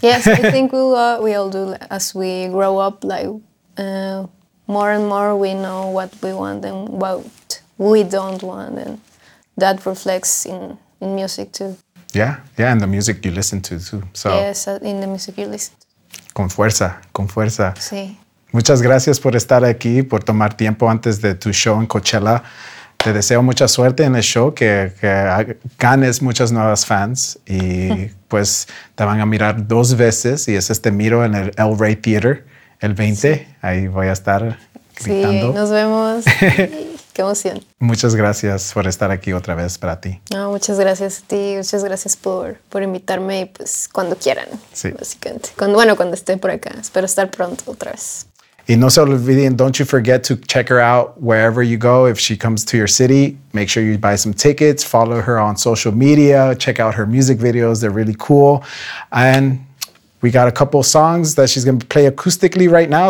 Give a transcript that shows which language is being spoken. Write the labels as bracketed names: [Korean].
[English] Yes, I think we all do as we grow up, like more and more we know what we want and what we don't want, and that reflects in music too. Yeah, and the music you listen to too. So yes, in the music you listen to. [Spanish] Con fuerza, con fuerza. Sí. Muchas gracias por estar aquí, por tomar tiempo antes de tu show en Coachella. Te deseo mucha suerte en el show, que ganes muchas nuevas fans y pues te van a mirar dos veces y es este miro en el El Rey Theater el 20. Sí. Ahí voy a estar gritando. Sí, nos vemos. Qué emoción. Muchas gracias por estar aquí otra vez para ti. No, muchas gracias a ti. Muchas gracias por invitarme y pues cuando quieran. Sí. Básicamente. Cuando esté por acá. Espero estar pronto otra vez. Y no se olviden, [English] don't you forget to check her out wherever you go. If she comes to your city, make sure you buy some tickets, follow her on social media, check out her music videos. They're really cool. And we got a couple of songs that she's going to play acoustically right now.